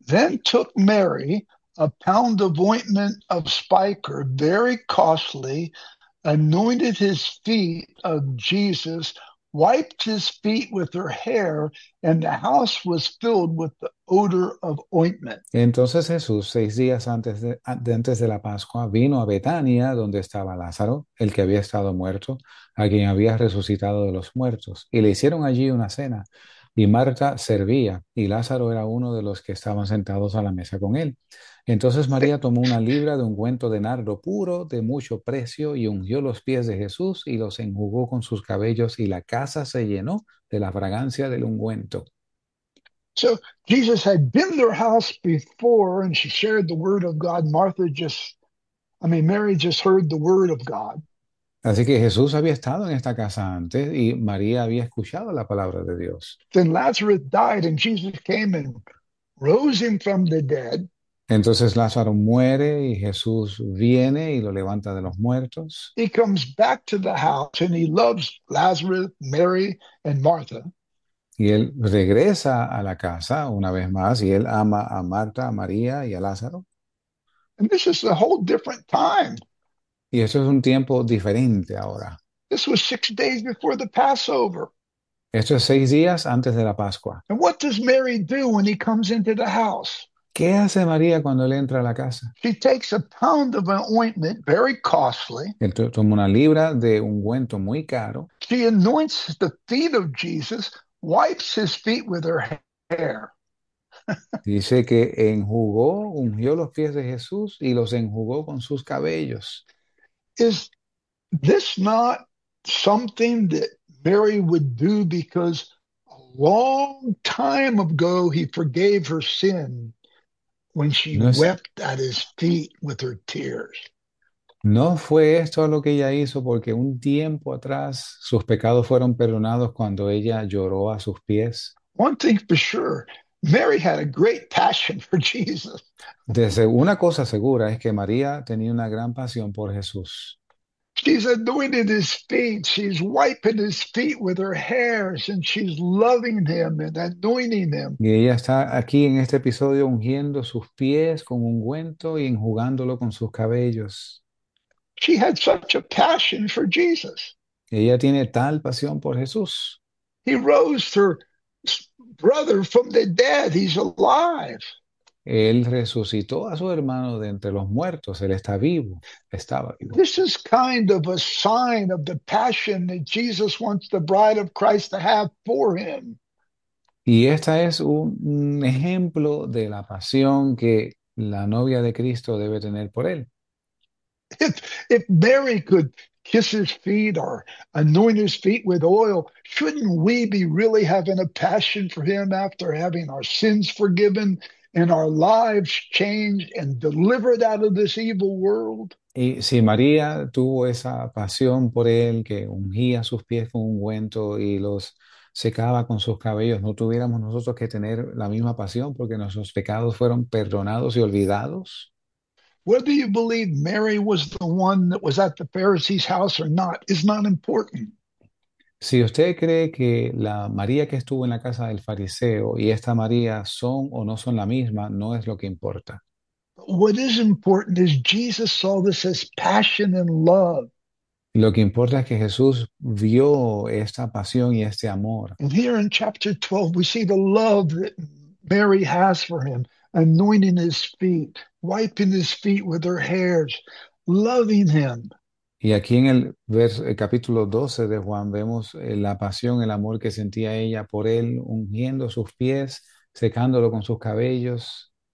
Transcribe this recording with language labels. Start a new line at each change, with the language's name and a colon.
English: Then took Mary a pound of ointment of spikenard, very costly, anointed his feet of Jesus, wiped his feet with her hair, and the house was filled with the odor of ointment.
Spanish: Entonces Jesús, 6 días antes de la Pascua, vino a Betania, donde estaba Lázaro, el que había estado muerto, a quien había resucitado de los muertos, y le hicieron allí una cena, y Marta servía, y Lázaro era uno de los que estaban sentados a la mesa con él. Entonces María tomó una libra de ungüento de nardo puro, de mucho precio, y ungió los pies de Jesús, y los enjugó con sus cabellos, y la casa se llenó de la fragancia del ungüento.
English: So Jesus had been their house before, and she shared the word of God. Mary just heard the word of God.
Spanish: Así que Jesús había estado en esta casa antes y María había escuchado la palabra de Dios.
English: Then Lazarus died, and Jesus came and rose him from the dead.
Spanish: Entonces Lázaro muere y Jesús viene y lo levanta de los muertos.
English: He comes back to the house, and he loves Lazarus, Mary, and Martha.
Spanish: Y él regresa a la casa una vez más y él ama a Marta, a María y a Lázaro.
English: And this is a whole different time.
Spanish: Y eso es un tiempo diferente ahora.
English: This was 6 days before the Passover.
Spanish: Esto es 6 días antes de la Pascua.
English: And what does Mary do when he comes into the house?
Spanish: ¿Qué hace María cuando él entra a la casa?
English: She takes a pound of an ointment, very costly.
Spanish: Él toma una libra de ungüento muy caro.
English: She anoints the feet of Jesus, wipes his feet with her hair.
Spanish: Dice que enjugó, ungió los pies de Jesús y los enjugó con sus cabellos.
English: Is this not something that Mary would do because a long time ago he forgave her sin when she
Spanish: No es,
English: wept at his feet with her tears?
Spanish: no fue esto lo que ella hizo porque un tiempo atrás sus pecados fueron perdonados cuando ella lloró a sus pies.
English: One thing for sure, Mary had a great passion for Jesus.
Spanish: Desde una cosa segura es que María tenía una gran pasión por Jesús.
English: She's anointing his feet, she's wiping his feet with her hairs, and she's loving him and anointing him.
Spanish: Y ella está aquí en este episodio ungiendo sus pies con ungüento y enjugándolo con sus cabellos.
English: She had such a passion for Jesus.
Spanish: Ella tiene tal pasión por Jesús.
English: He rose her brother from the dead, he's alive.
Spanish: Él resucitó a su hermano de entre los muertos. Él está vivo. Estaba vivo.
English: This is kind of a sign of the passion that Jesus wants the bride of Christ to have for him.
Spanish: Y esta es un ejemplo de la pasión que la novia de Cristo debe tener por él.
English: If Mary could kiss his feet or anoint his feet with oil, shouldn't we be really having a passion for him after having our sins forgiven and our lives changed and delivered out of this evil world?
Spanish: Y si María tuvo esa pasión por él, que ungía sus pies con ungüento y los secaba con sus cabellos, no tuviéramos nosotros que tener la misma pasión porque nuestros pecados fueron perdonados y olvidados.
English: Whether you believe Mary was the one that was at the Pharisee's house or not is not important.
Spanish: Si usted cree que la María que estuvo en la casa del fariseo y esta María son o no son la misma, no es lo que importa.
English: What is important is Jesus saw this as passion and love.
Spanish: Lo que importa es que Jesús vio esta pasión y este amor.
English: And here in chapter 12, we see the love that Mary has for him. Anointing his feet, wiping his feet with her hairs, loving him.
Spanish: Y aquí en el capítulo 12 de Juan vemos la pasión, el amor que sentía ella por él, ungiendo sus pies, secándolo con sus cabellos.